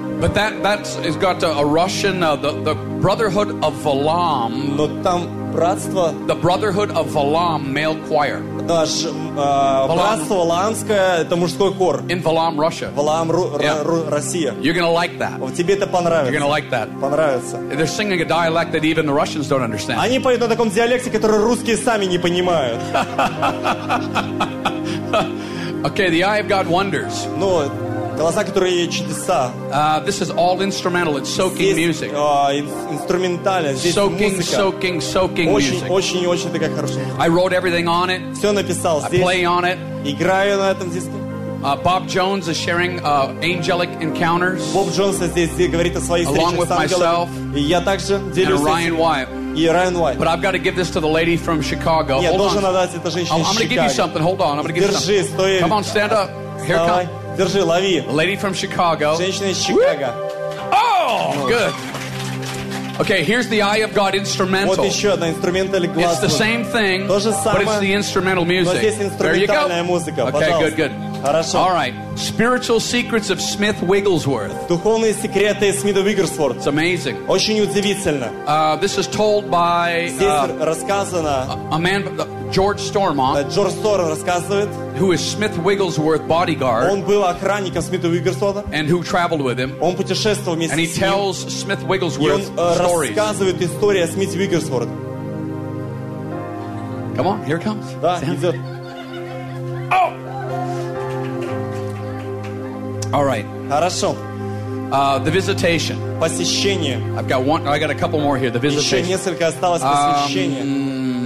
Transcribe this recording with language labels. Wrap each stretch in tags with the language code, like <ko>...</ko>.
<en>But that's got a Russian the Brotherhood of Volam.</en> <ru>Но там братство,</ru> <en>the Brotherhood of Valaam Male Choir.</en> <ru>Наш братство валаамское, это мужской хор.</ru> <en>In Valaam, Russia.</en> <ru>Валаам, Россия.</ru> <en>You're gonna like that.</en> <ru>Тебе это понравится.</ru> <en>You're gonna like that.</en> <ru>Понравится.</ru> <en>They're singing a dialect that even the Russians don't understand.</en> <ru>Они поют на таком диалекте, который русские сами не понимают.</ru> <en>Okay, the Eye of God wonders.</en> <ru>Но глаза, которые чудеса.</ru> <en>This is all instrumental. It's soaking music.</en> <ru>Инструментально.</ru> <en>Soaking music.</en> <ru>Очень такая хорошая.</ru> <en>I wrote everything on it.</en> <ru>Все написал здесь.</ru> <en>I play on it.</en> <ru>Играю на этом диске.</ru> <en>Bob Jones is sharing angelic encounters.</en> <ru>Bob Jones здесь говорит о своих встречах с ангелами. Я также делюсь. Ryan White.</ru> <en>But I've got to give this to the lady from Chicago. I'm going to give you something. Hold on. Come on, stand up. Here come.</en> <ru>Держи, лови.</ru> <en>Lady from Chicago.</en> <ru>Женщина из Чикаго.</ru> <en>Oh, good. Okay, here's the Eye of God instrumental.</en> <ru>Вот еще одна инструментальная глаз.</ru> <en>It's the same thing, but it's the instrumental music.</en> <ru>Но здесь инструментальная музыка.</ru> <en>Okay, good, good.</en> <ru>Хорошо.</ru> <en>All right. Spiritual secrets of Smith Wigglesworth.</en> <ru>Духовные секреты Смита Уигглсворта.</ru> <en>It's amazing.</en> <ru>Очень удивительно.</ru> <en>This is told by.</en> <ru>Здесь рассказано.</ru> <en>A man. George Stormont.</en> <ru>George Storm рассказывает.</ru> <en>Who is Smith Wigglesworth's bodyguard?</en> <ru>Он был охранником Смита Уигглсворта.</ru> <en>And who traveled with him?</en> <ru>Он путешествовал вместе с ним.</ru> <en>And he tells Smith Wigglesworth stories.</en> <ru>И он рассказывает историю о Смите Уигглсворте.</ru> <en>Come on, here it comes.</en> <ru>Да, идет. Oh.</ru> <en>All right.</en> <ru>Хорошо.</ru> <en>The visitation.</en> <ru>Посещение.</ru> <en>I got a couple more here. The visitation.</en> <ru>Еще несколько осталось посещения.</ru>